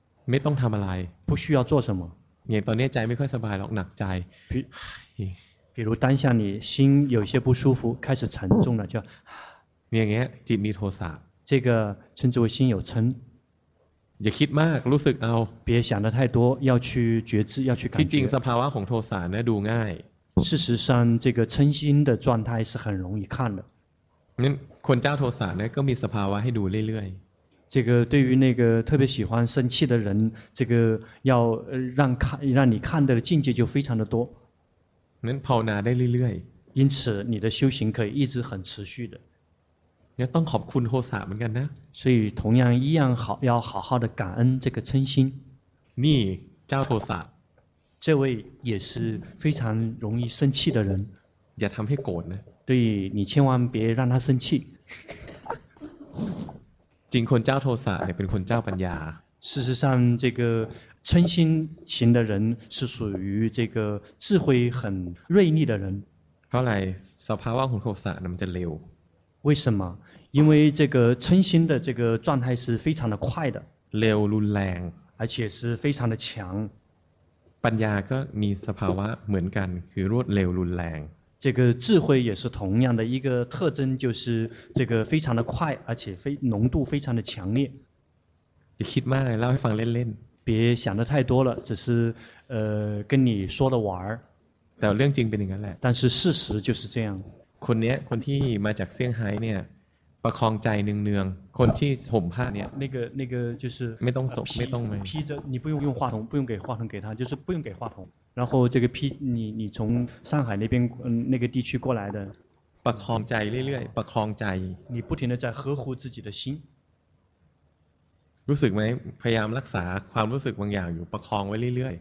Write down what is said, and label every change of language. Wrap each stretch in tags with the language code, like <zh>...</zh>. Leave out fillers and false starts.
<th>ไม่ต้องทำอะไร</th> <zh>不需要做什么</zh> <th>อย่างตอนนี้ใจไม่ค่อยสบายหรอกหนักใจ</th> <zh>比如当下你心有些不舒服开始沉重了就</zh> <th>อย่างเงี้ยจิตมีโทสะ</th> <zh>这个称之为心有嗔</zh> <th>อย่าคิดมากรู้สึกเอา</th> <zh>别想得太多要去觉知要去感觉</zh> <th>ที่จริงสภาวะของโทสะนะดูง่าย</th> <zh>事实上这个嗔心的状态是很容易看的</zh> <th>งั้นคนเจ้าโทสะนะก็มีสภาวะให้ดูเรื่อย</th> <zh>ๆ这个对于那个特别喜欢生气的人这个要让看让你看的境界就非常的多</zh> <th>งั้นภาวนาได้เรื่อย</th> <zh>ๆ因此你的修行可以一直很持续的</zh> <th>เนี่ยต้องขอบคุณโทสะเหมือนกันนะ</th> <zh>所以同样一样好要好好的感恩这个嗔心</zh> <th>นี่เจ้าโทสะ</th> <zh>这位也是非常容易生气的人</zh> <th>อย่าทำให้โกรธนะ</th> <zh>对你千万别让他生气</zh> <th>จริงคนเจ้าโทสะเนี่ยเป็นคนเจ้าปัญญา</th> <zh>事实上这个嗔心型的人是属于这个智慧很锐利的人</zh> <th>เพราะอะไรสภาวะของโทสะมันจะเร็ว</th> <zh>为什么因为这个嗔心的这个状态是非常的快的</zh> <th>เร็วรุนแรง</th> <zh>而且是非常的强</zh> <th>ปัญญาก็มีสภาวะเหมือนกันคือรวดเร็วรุนแรง</th> <zh>这个智慧也是同样的一个特征就是这个非常的快而且浓度非常的强烈</zh> <th>จะคิดมากเล่าให้ฟังเล่น</th> <zh>ๆ别想得太多了只是跟你说的玩</zh> <th>แต่เรื่องจริงเป็นอย่างนั้นแหละ</th> <zh>但是事实就是这样</zh> <th>คนนี้คนที่มาจากเซี่ยงไฮ้เนี่ยประคองใจเนืองๆคนที่ห่มผ้าเนี่ย</th> <zh>那个就是</zh> <th>ไม่ต้องสกไม่ต้องไม่</th> <zh>披着你不用用话筒不用给话筒给他就是不用给话筒然后这个披你从上海那边那个地区过来的</zh> <th>ประคองใจเรื่อยๆประคองใจ</th> <zh>你不停的在呵护自己的心</zh> <th>รู้สึกไหมพยายามรักษาความรู้สึกบางอย่างอยู่ประคองไว้เรื่อย</th>